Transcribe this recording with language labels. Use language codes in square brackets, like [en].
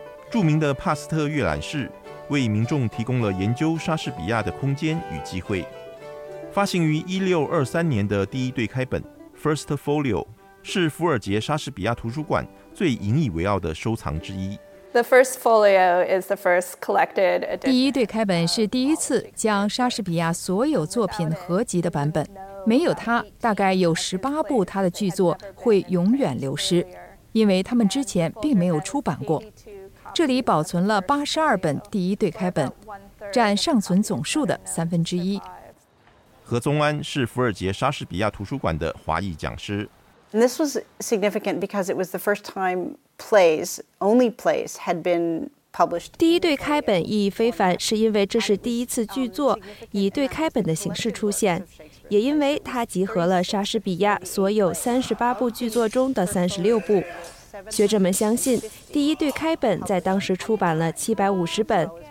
[zh] 著名的帕斯特阅览室为民众提供了研究莎士比亚的空间与机会。发行于1623年的第一对开本 First Folio 是福尔杰莎士比亚图书馆最引以为傲的收藏之一。 [en] The First Folio is the first collected edition. [zh] 第一对开本是第一次将莎士比亚所有作品合集的版本，没有它，大概有18部他的剧作会永远流失，因为他们之前并没有出版过。这里保存了82本第一对开本，占尚存总数的1/3。何宗安是福尔杰莎士比亚图书馆的华裔讲师。 [en] This was significant because it was the first time plays, only plays, had been published. [zh] 第一对开本意义非凡，是因为这是第一次剧作以对开本的形式出现，也因为它集合了莎士比亚所有38部剧作中的36部。学者们相信，第一对开本在当时出版了750本。